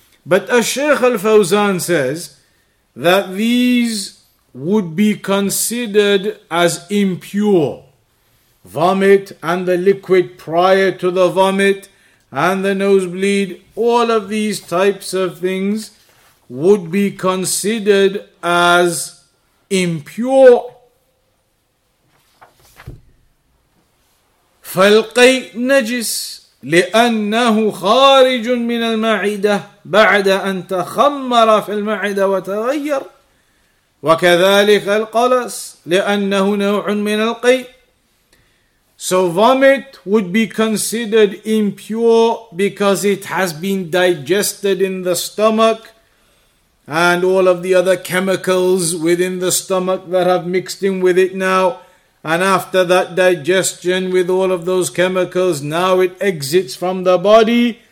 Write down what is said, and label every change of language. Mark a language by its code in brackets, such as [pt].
[en] But as Shaykh Al-Fawzan says, that these would be considered as impure. Vomit and the liquid prior to the vomit and the nosebleed, all of these types of things would be considered as impure. [ar] فالقيء نجس لأنه خارج من المعدة بعد أن تخمر في المعدة وتغير وكذلك القلس لأنه نوع من القيء. [en] So vomit would be considered impure because it has been digested in the stomach and all of the other chemicals within the stomach that have mixed in with it now. And after that digestion with all of those chemicals, now it exits from the body.